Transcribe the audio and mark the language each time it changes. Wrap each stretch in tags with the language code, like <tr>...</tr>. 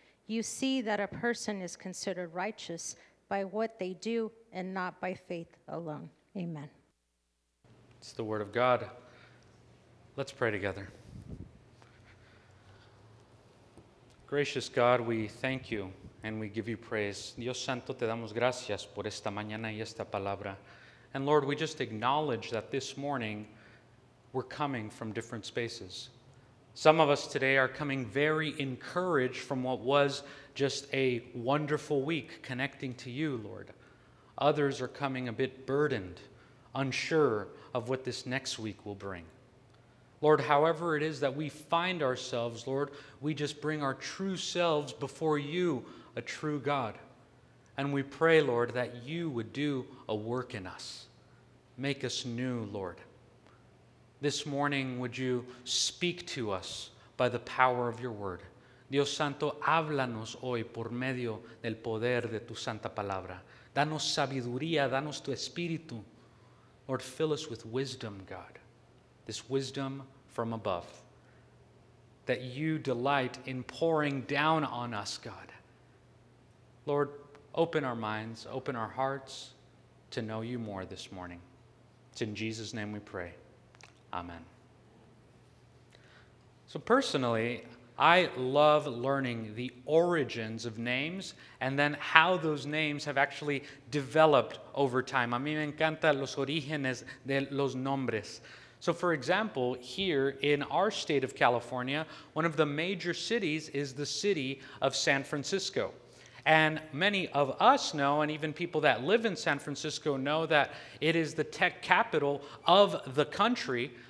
<en>You see that a person is considered righteous by what they do and not by faith alone. Amen. It's the word of God. Let's pray together. Gracious God, we thank you and we give you praise.</en> <es>Dios Santo, te damos gracias por esta mañana y esta palabra.</es> <en>And Lord, we just acknowledge that this morning we're coming from different spaces. Some of us today are coming very encouraged from what was just a wonderful week connecting to you, Lord. Others are coming a bit burdened, unsure of what this next week will bring. Lord, however it is that we find ourselves, Lord, we just bring our true selves before you, a true God. And we pray, Lord, that you would do a work in us. Make us new, Lord. This morning, would you speak to us by the power of your word?</en> <es>Dios Santo, háblanos hoy por medio del poder de tu santa palabra. Danos sabiduría, danos tu espíritu.</es> <en>Lord, fill us with wisdom, God, this wisdom from above, that you delight in pouring down on us, God. Lord, open our minds, open our hearts to know you more this morning. It's in Jesus' name we pray. Amen. So personally, I love learning the origins of names and then how those names have actually developed over time.</en> <es>A mí me encantan los orígenes de los nombres.</es> <en>So for example, here in our state of California, one of the major cities is the city of San Francisco. And many of us know, and even people that live in San Francisco know, that it is the tech capital of the country.</en>